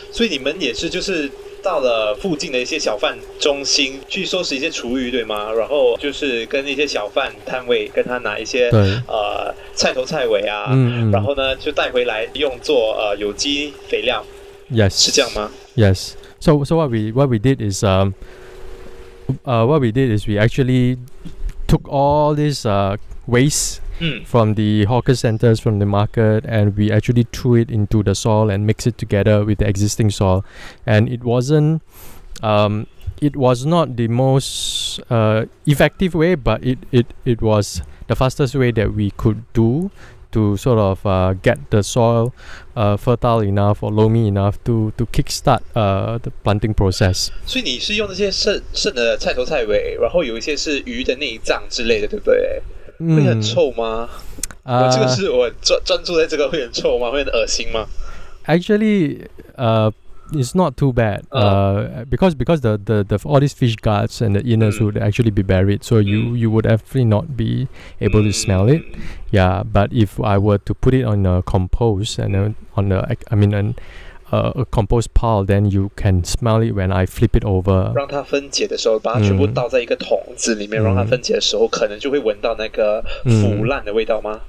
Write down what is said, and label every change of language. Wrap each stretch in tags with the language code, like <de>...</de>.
<zh>所以你们也是就是到了附近的一些小贩中心去收拾一些厨余，对吗？然后就是跟一些小贩摊位跟他拿一些菜头菜尾啊，然后呢就带回来用作有机肥料。</zh> <en>Yes，</en> <zh>是这样吗</zh> <en>？Yes， so what we did is what we did is we actually took all this waste from the hawker centers, from the market, and we actually threw it into the soil and mixed it together with the existing soil. And it was not the most effective way, but it was the fastest way that we could do to sort of get the soil fertile enough or loamy enough to kickstart the planting process.</en> <zh>所以你是用那些剩的菜头菜尾，然后有一些是鱼的内脏之类的，对不对？会很臭吗？专注在这个会很臭吗？会很恶心吗</zh> <en>？Actually, it's not too bad. Because the all these fish guts and the innards would actually be buried, so you would definitely not be able to smell it. Yeah, but if I were to put it on a compost and on the, I mean, a compost pile, then you can smell it when I flip it over.</en> <zh>让它分解的时候，把它全部倒在一个桶子里面，让它分解的时候，可能就会闻到那个腐烂的味道吗</zh>